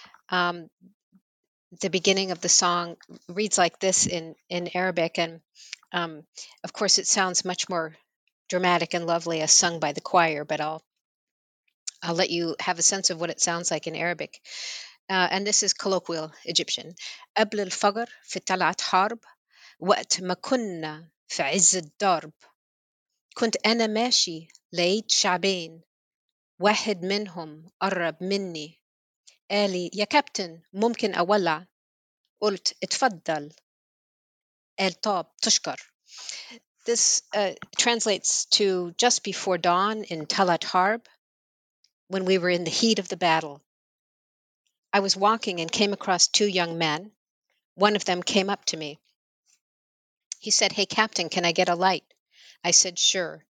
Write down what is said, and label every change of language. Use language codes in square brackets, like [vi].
[en] The beginning of the song reads like this in Arabic, and of course it sounds much more dramatic and lovely as sung by the choir, but I'll let you have a sense of what it sounds like in Arabic. And this is colloquial Egyptian. [ar] قبل الفجر في طلعت حرب وقت ما كنا في عز الدرب كنت أنا ماشي لقيت شعبين واحد منهم قرب مني قالي يا كابتن ممكن أولع قلت اتفضل قال طب تشكر. [en] This translates to just before dawn in Talat Harb, when we were in the heat of the battle. I was walking and came across two young men. One of them came up to me. He said, hey, Captain, can I get a light? I said, sure.